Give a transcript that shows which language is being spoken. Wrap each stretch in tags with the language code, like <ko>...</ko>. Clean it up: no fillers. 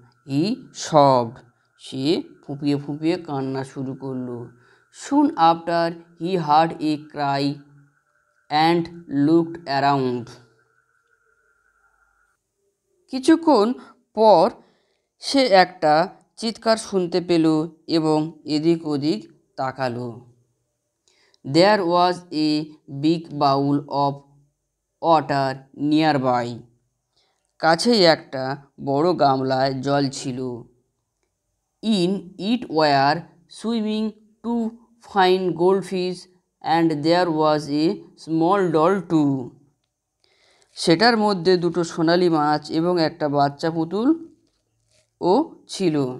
<en>he sobbed,</en> <bn>সে ফুঁপিয়ে ফুঁপিয়ে কান্না শুরু করলো।</bn> <en>Soon after he heard a cry and looked around.</en> <bn>কিছুক্ষণ পর সে একটা চিৎকার শুনতে পেল এবং এদিক ওদিক তাকালো.</bn> <en>There was a big bowl of water nearby.</en> <bn>কাছেই একটা বড় গামলায় জল ছিল.</bn> <en>In it were swimming two fine goldfish and there was a small doll too.</en> <bn>সেটার মধ্যে দুটো সোনালি মাছ এবং একটা বাচ্চা পুতুল ও ছিল.</bn>